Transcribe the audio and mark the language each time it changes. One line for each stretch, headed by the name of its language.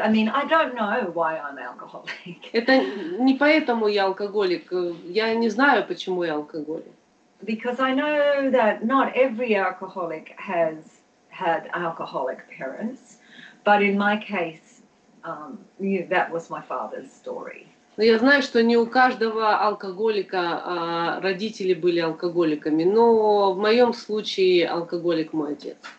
English: I mean, I don't know why I'm alcoholic.
Russian: Это не поэтому я алкоголик. Я не знаю, почему я алкоголик.
English: Because I know that not every alcoholic has had alcoholic parents. But in my case, that was my father's story.
Russian: Но я знаю, что не у каждого алкоголика родители были алкоголиками, но в моем случае алкоголик мой отец.